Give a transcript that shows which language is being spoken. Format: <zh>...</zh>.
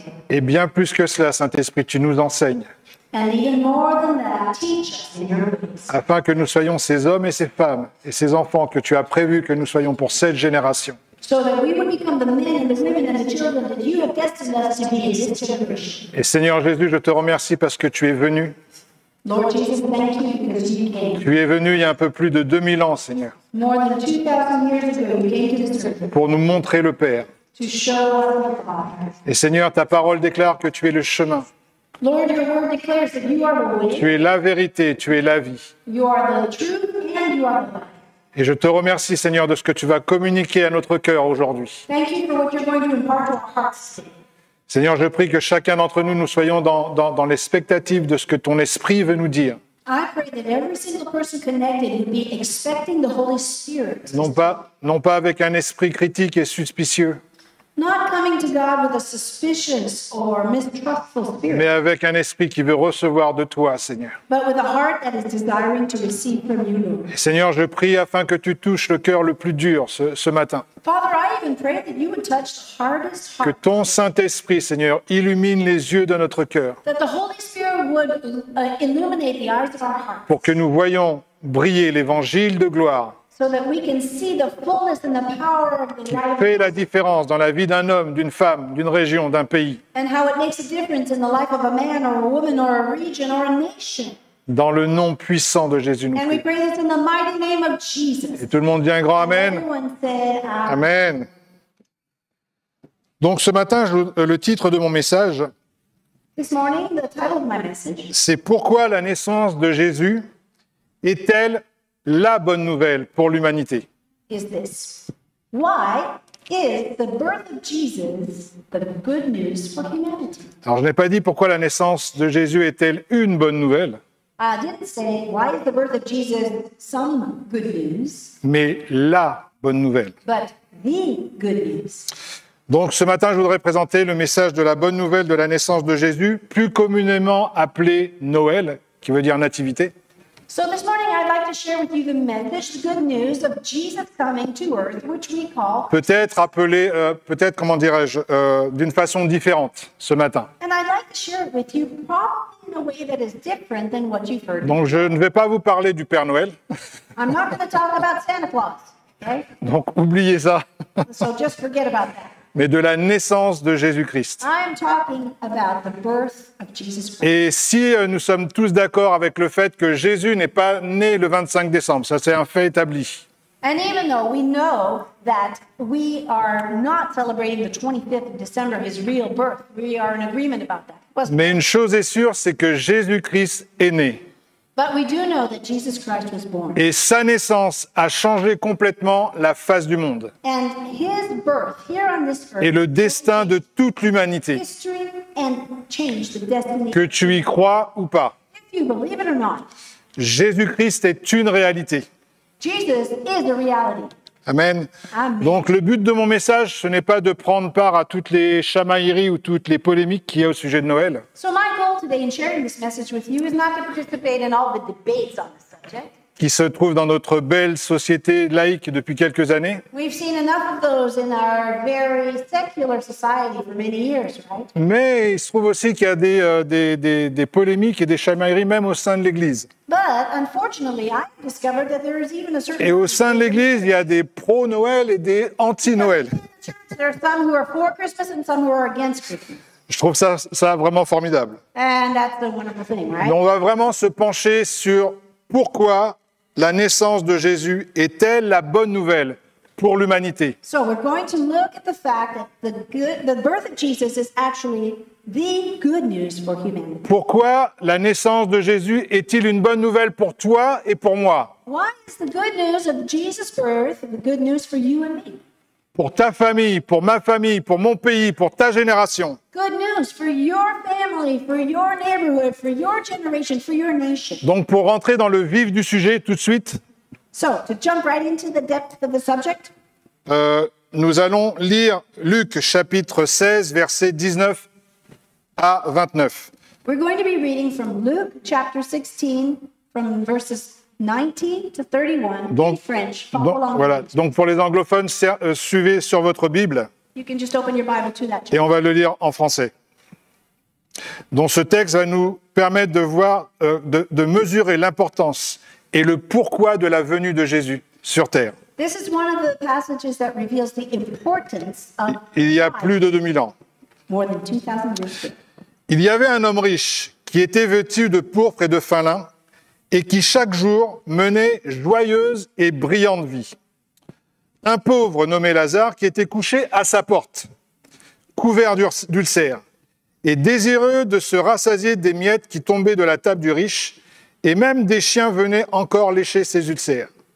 <fr>Et bien plus que cela, Saint-Esprit, tu nous enseignes.</fr> <en>And even more than that, teach us in your peace.</en> <fr>Afin que nous soyons ces hommes et ces femmes et ces enfants que tu as prévu que nous soyons pour cette génération.</fr> <en>So that we would become the men and the women and the children that you have destined us to be in this generation.</en> <fr>Et Seigneur Jésus, je te remercie parce que tu es venu.</fr> <en>Lord Jesus, thank you because you came.</en> <fr>Tu es venu il y a un peu plus de 2000 ans, Seigneur.</fr> <en>More than 2000 years ago, you came to this earth.</en> <fr>Pour nous montrer le Père.</fr> <en>To show us the Father.</en> <fr>Et Seigneur, ta parole déclare que tu es le chemin.</fr> <en>Lord, your word declares that you are the way.</en> <fr>Tu es la vérité, tu es la vie.</fr> <en>You are the truth and you are the life.</en> <fr>Et je te remercie, Seigneur, de ce que tu vas communiquer à notre cœur aujourd'hui.</fr> <en>Thank you for what you're going to impart to our hearts.</en> <fr>Seigneur, je prie que chacun d'entre nous, nous soyons dans l'expectative de ce que ton esprit veut nous dire.</fr> <en>I pray that every single person connected would be expecting the Holy Spirit.</en> <fr>Non pas avec un esprit critique et suspicieux.</fr> <en>Not coming to God with a suspicious or mistrustful spirit.</en> <fr>Mais avec un esprit qui veut recevoir de toi, Seigneur.</fr> <en>But with a heart that is desiring to receive from you.</en> <fr>Et Seigneur, je prie afin que tu touches le cœur le plus dur ce matin.</fr> <en>Father, I even pray that you would touch the hardest heart.</en> <fr>Que ton Saint-Esprit, Seigneur, illumine les yeux de notre cœur.</fr> <en>That the Holy Spirit would illuminate the eyes of our hearts.</en> <fr>Pour que nous voyons briller l'évangile de gloire.</fr> <en>So that we can see the fullness and the power of the life.</en> <fr>Fait la différence dans la vie d'un homme, d'une femme, d'une région, d'un pays.</fr> <en>And how it makes a difference in the life of a man or a woman or a region or a nation.</en> <fr>Dans le nom puissant de Jésus.</fr> <en>And we pray this in the mighty name of Jesus.</en> <fr>Et tout le monde dit un grand amen.</fr> <en>Everyone said amen. Amen.</en> <fr>Donc ce matin, le titre de mon message.</fr> <en>This morning, the title of my message.</en> <fr>C'est pourquoi la naissance de Jésus est-elle la bonne nouvelle pour l'humanité.</fr> <en>Is this why is the birth of Jesus the good news for humanity?</en> <fr>Alors je n'ai pas dit pourquoi la naissance de Jésus est-elle une bonne nouvelle.</fr> <en>I didn't say why is the birth of Jesus some good news.</en> <fr>Mais la bonne nouvelle.</fr> <en>But the good news.</en> <fr>Donc ce matin, je voudrais présenter le message de la bonne nouvelle de la naissance de Jésus, plus communément appelé Noël, qui veut dire nativité.</fr> <en>So this morning I'd like to share with you the message, the good news of Jesus coming to earth, which we call.</en> <fr>Peut-être appelé, peut-être comment dirais-je, d'une façon différente ce matin.</fr> <en>And I'd like to share it with you probably in a way that is different than what you've heard.</en> <fr>Donc je ne vais pas vous parler du Père Noël.</fr> <en>I'm not going to talk about Santa Claus. Okay.</en> <fr>Donc oubliez ça.</fr> <en>So just forget about that.</en> <fr>Mais de la naissance de Jésus-Christ.</fr> <en>I'm talking about the birth of Jesus Christ.</en> <fr>Et si nous sommes tous d'accord avec le fait que Jésus n'est pas né le 25 décembre, ça c'est un fait établi.</fr> <en>And even though we know that we are not celebrating the 25th of December his real birth, we are in agreement about that.</en> <fr>Mais une chose est sûre, c'est que Jésus-Christ est né.</fr> <en>But we do know that Jesus Christ was born.</en> <fr>Et sa naissance a changé complètement la face du monde.</fr> <en>And his birth here on this earth.</en> <fr>Et le destin de toute l'humanité.</fr> <en>History and changed the destiny.</en> <fr>Que tu y crois ou pas.</fr> <en>If you believe it or not.</en> <fr>Jésus-Christ est une réalité.</fr> <en>Jesus is a reality.</en> <fr>Amen. Donc le but de mon message, ce n'est pas de prendre part à toutes les chamailleries ou toutes les polémiques qu'il y a au sujet de Noël.</fr> <en>So my goal today in sharing this message with you is not to participate in all the debates on the subject.</en> <fr>Qui se trouve dans notre belle société laïque depuis quelques années.</fr> <en>We've seen enough of those in our very secular society for many years, right?</en> <fr>Mais il se trouve aussi qu'il y a des polémiques et des chamailleries même au sein de l'Église.</fr> <en>But unfortunately, I discovered that there is even a certain.</en> <fr>Et au sein de l'Église, il y a des pro-Noël et des anti-Noël.</fr> <en>There are some who are for Christmas and some who are against Christmas.</en> <fr>Je trouve ça vraiment formidable.</fr> <en>And that's the wonderful thing, right?</en> <fr>Mais on va vraiment se pencher sur pourquoi la naissance de Jésus est-elle la bonne nouvelle pour l'humanité.</fr> <en>So we're going to look at the fact that the birth of Jesus is actually the good news for humanity.</en> <fr>Pourquoi la naissance de Jésus est-il une bonne nouvelle pour toi et pour moi?</fr> <en>Why is the good news of Jesus' birth the good news for you and me?</en> <fr>Pour ta famille, pour ma famille, pour mon pays, pour ta génération.</fr> <en>Good news for your family, for your neighborhood, for your generation, for your nation.</en> <fr>Donc pour rentrer dans le vif du sujet tout de suite.</fr> <en>So, to jump right into the depth of the subject.</en> <fr>Nous allons lire Luc chapitre 16 versets 19 à 29.</fr> <en>We're going to be reading from Luke chapter 16 from verses 19 to 31 in French.</en> <fr>Donc pour les anglophones, suivez sur votre Bible.</fr> <en>You can just open your Bible to that.</en> <fr>Et on va le lire en français. Donc ce texte va nous permettre de voir, de mesurer l'importance et le pourquoi de la venue de Jésus sur terre.</fr> <en>This is one of the passages that reveals the importance of.</en> <fr>Il y a plus de 2000 ans.</fr> <en>More than 2000 years ago.</en> <fr>Il y avait un homme riche qui était vêtu de pourpre et de fin lin. Et qui chaque jour menait joyeuse et brillante vie. Un pauvre nommé Lazare qui était couché à sa porte, couvert d'ulcères, et désireux de se rassasier des miettes qui tombaient de la table du riche, et même des chiens venaient encore lécher ses ulcères.</fr>